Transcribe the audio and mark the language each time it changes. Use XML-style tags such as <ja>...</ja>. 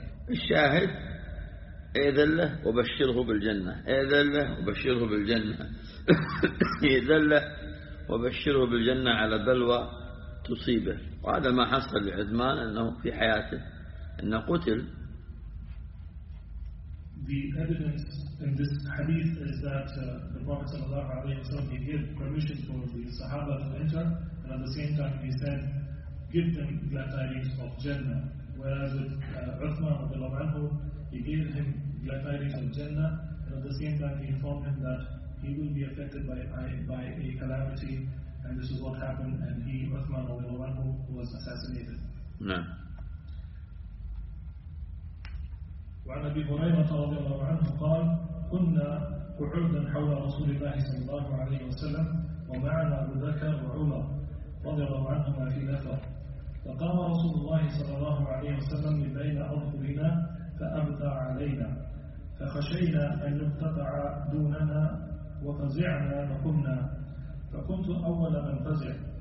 <ar>الشاهد إذن له وبشره بالجنة إذن له وبشره بالجنة إذن له وبشره بالجنة على بلوى تصيبه. وهذا ما حصل لعثمان أنه في حياته أنه قتل.</ar> <en>The evidence in this hadith is that the Prophet</en> <ar>صلى الله عليه وسلم</ar> <en>he gave permission for the Sahaba to enter and at the same time he said give them glad tidings of Jannah, whereas with Uthman</en> <ar>رضي الله عنه</ar> <en>he gave him glad tidings of Jannah and at the same time he informed him that he will be affected by a calamity and this is what happened and he Uthman رضي الله عنه was assassinated. No.</en> <ar>وعن أبي هريرة رضي الله عنه قال كنا قعودا حول رسول الله صلى الله عليه وسلم ومعنا أبو بكر وعمر رضي الله عنهما في نفر. فقام رسول الله صلى الله عليه وسلم بين أظهرنا فأبدى علينا فخشينا أن يقتطع دوننا وفزعنا فقمنا فكنت أول من فزع</ar>